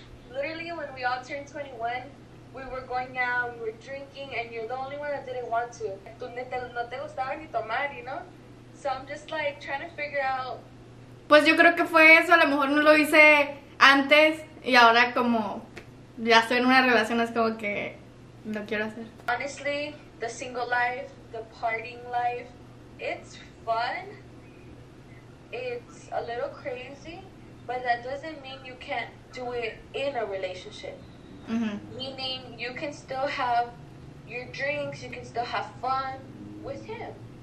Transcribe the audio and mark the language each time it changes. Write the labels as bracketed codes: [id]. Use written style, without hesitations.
[en] Literally when we all turned 21, we were going out, we were drinking and you're the only one that didn't want to. [es] Tú no te gustaba ni tomar, [en] you know? So I'm just like trying to figure out. [es] Pues yo creo que fue eso, a lo mejor no lo hice antes y ahora como ya estoy en una relación es como que lo quiero hacer. [en] Honestly, the single life, the partying life, it's fun. It's a little crazy, but that doesn't mean you can't do it in a relationship. Mm-hmm. Meaning you can still have your drinks, you can still have fun with him.